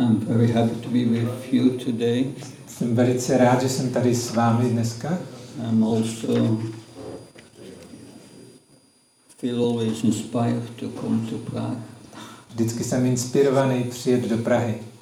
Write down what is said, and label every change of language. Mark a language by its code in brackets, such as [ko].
[en] I'm very happy to be with you today. [cs] Jsem velice rád, že jsem tady s vámi dneska. [en] I'm also feel always inspired to come to Prague. [cs] Vždycky jsem inspirovaný přijet do Prahy.